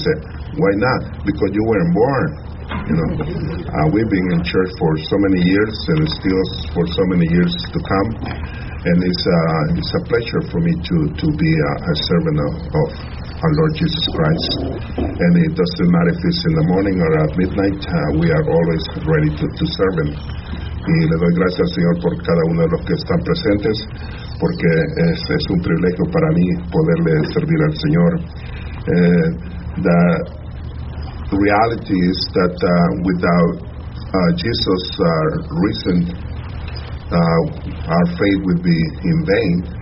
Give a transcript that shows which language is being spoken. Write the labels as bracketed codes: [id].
[en] And he said, why not? Because you weren't born. You know, we've been in church for so many years and still for so many years to come. And it's a pleasure for me to be a servant of our Lord Jesus Christ. And it doesn't matter if it's in the morning or at midnight, we are always ready to serve him. [es] Y le doy gracias al Señor por cada uno de los que están presentes, porque es un privilegio para mí poderle servir al Señor. [en] The reality is that without Jesus' reason, our faith would be in vain.